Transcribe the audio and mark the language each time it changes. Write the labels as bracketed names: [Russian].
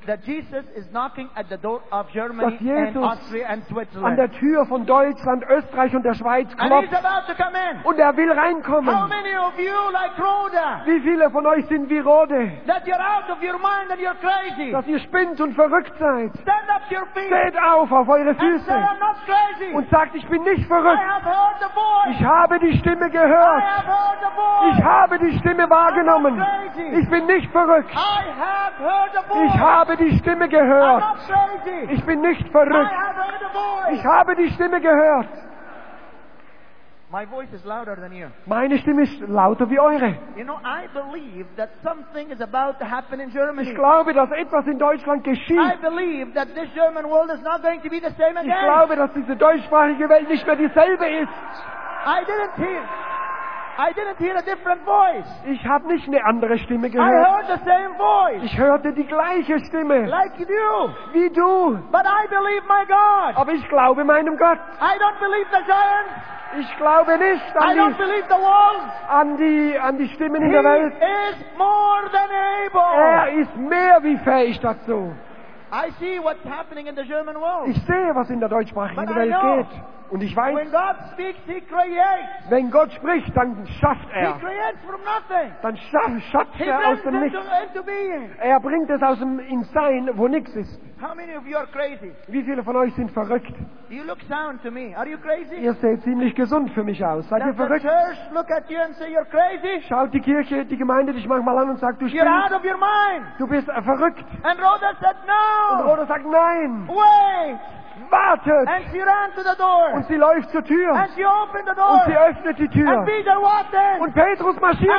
[English] That Jesus is knocking at the door of Germany, [German] dass Jesus [English] and Austria and Switzerland. [German] An der Tür von Deutschland, Österreich und der Schweiz klopft. [English] And he's about to come in. [German] Und will reinkommen. [English] How many of you like Rhoda? [German] Wie viele von euch sind wie Rhoda? [English] That you're out of your mind and you're crazy. [German] Dass ihr spinnt und verrückt seid. [English] Stand up to your feet. [German] Steht auf eure Füße. [English] And say, I'm not crazy. [German] Und sagt, ich bin nicht verrückt. [English] I have heard the voice. [German] Ich habe die Stimme gehört. [English] I have heard the voice. [German] Ich habe die Stimme wahrgenommen. [English] I'm not crazy. [German] Ich bin nicht verrückt. [English] I have heard the voice. [German] Ich habe die Stimme gehört. [English] I'm not crazy. [German] Ich bin nicht verrückt. [English] I have heard the voice. [German] Ich habe die Stimme gehört. [English] My voice is louder than you. [German] Meine Stimme ist lauter wie eure. [English] You know, I believe that something is about to happen in Germany. [German] Ich glaube, dass etwas in Deutschland geschieht. [English] I believe that this German world is not going to be the same again. [German] Ich glaube, dass diese deutschsprachige Welt nicht mehr dieselbe ist. [English] I didn't hear a different voice. [German] Ich habe nicht eine andere Stimme gehört. [English] I heard the same voice. [German] Ich hörte die gleiche Stimme. [English] Like you. [German] Wie du. [English] But I believe my God. [German] Aber ich glaube meinem Gott. [English] I don't believe the giants. [German] Ich glaube nicht an [English] I don't believe the walls. [German] An die Stimmen [English] he [German] in der Welt. [English] Is more than able. [German] Ist mehr wie fähig dazu. [English] I see what's happening in the German world. [German] Ich sehe, was in der deutschsprachigen Welt geht. Und ich weiß, [English] when God speaks, he creates. [German] Wenn Gott spricht, dann schafft [English] He creates from nothing. [German] Dann schafft [English] he [German] aus dem Nichts. [English] Into being. [German] Bringt es aus dem Insein, wo nichts ist. [English] How many of you are crazy? [German] Wie viele von euch sind verrückt? [English] You look sound to me. Are you crazy? [German] Ihr seht ziemlich gesund für mich aus. Seid [English] Does [German] ihr verrückt? [English] The church look at you and say you're crazy? [German] Schaut die Kirche, die Gemeinde dich manchmal an und sagt, du [English] spinnst. You're out of your mind. [German] Du bist verrückt. [English] And Rhoda said no. [German] Und Rhoda sagt nein. [English] Wait. [German] Wartet. [English] And she ran to the door. [German] Und sie läuft zur Tür. [English] And she opened the door. [German] Und sie öffnet die Tür. [English] And Peter walked in. [German] Und Petrus marschiert